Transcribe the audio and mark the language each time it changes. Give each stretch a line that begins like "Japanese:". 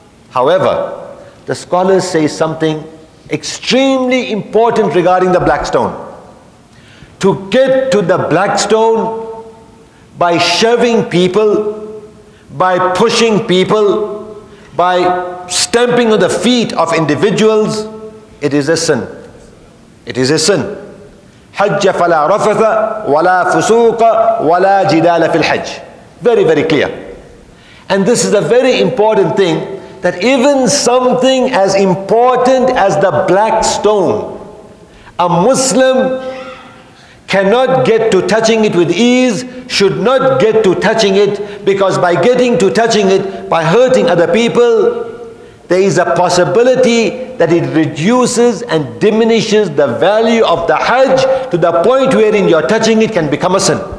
English: However, the scholars say something extremely important regarding the black stone. To get to the black stone by shoving people, by pushing people, by stamping on the feet of individuals, it is a sin. It is a sin.
Arabic: حج فلا رفث ولا فسوق ولا جدال في الحج.
English: Very, very clear. And this is a very important thing, that even something as important as the black stone, a Muslim cannot get to touching it with ease, should not get to touching it, because by getting to touching it, by hurting other people, there is a possibility that it reduces and diminishes the value of the Hajj to the point wherein you're touching it can become a sin.